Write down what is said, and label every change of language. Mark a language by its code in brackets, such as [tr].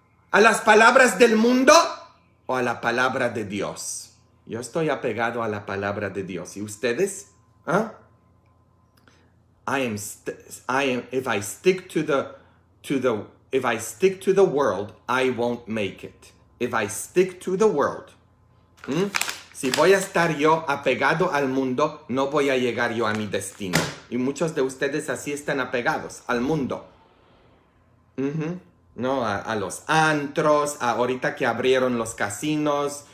[es] ¿A las palabras del mundo o a la palabra de Dios? Yo estoy apegado a la palabra de Dios. ¿Y ustedes? ¿Ah? [en] If I stick to the world, I won't make it. If I stick to the world. [es] Si voy a estar yo apegado al mundo, no voy a llegar yo a mi destino. Y muchos de ustedes así están apegados al mundo. Mm-hmm. No, a los antros, a ahorita que abrieron los casinos.